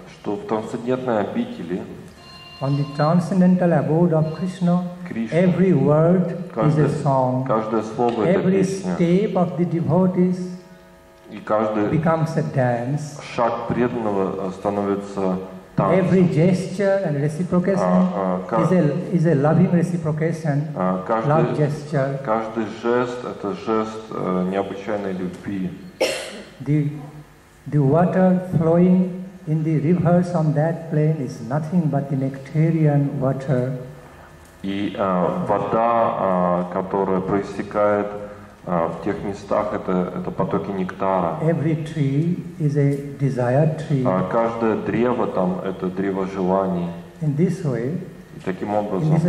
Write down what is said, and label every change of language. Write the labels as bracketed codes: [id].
[ru] что в трансцендентной обители [en] on the transcendental abode of Krishna, every word is a song. [ru] Каждое слово [en] — every step of the devotees [ru] и каждый шаг преданного становится танцем. [en] Every gesture and reciprocation is a loving reciprocation. Love gesture. [ru] Каждый жест — это жест необычайной любви. [en] The water flowing in the rivers on that plain is nothing but the nectarian water. [ru] И вода, которая проистекает в тех местах это потоки нектара. [en] Every tree is a desire tree. [ru] Каждое древо там это древо желаний. [en] In this way, [ru] таким образом,